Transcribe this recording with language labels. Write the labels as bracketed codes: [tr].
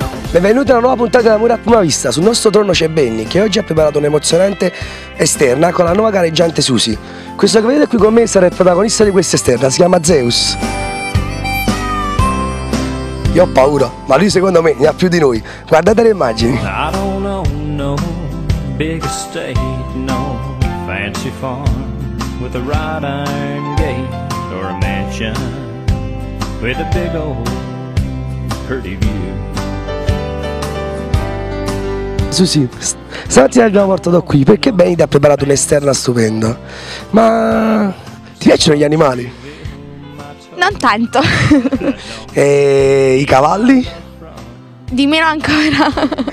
[it] Benvenuti a una nuova puntata di Amore a Prima Vista. Sul nostro trono c'è Benny, che oggi ha preparato un'emozionante esterna con la nuova gareggiante Susi. Questo che vedete qui con me sarà il protagonista di questa esterna, si chiama Zeus. Io ho paura, ma lui secondo me ne ha più di noi. Guardate le immagini. [en] I don't know no big estate, no fancy farm with a wrought iron gate or a mansion with a big old pretty view. [it] Susi, stamattina l'abbiamo portato qui perché Benny ti ha preparato un'esterna stupenda. Ma ti piacciono gli animali? Non tanto. E i cavalli? Di meno ancora.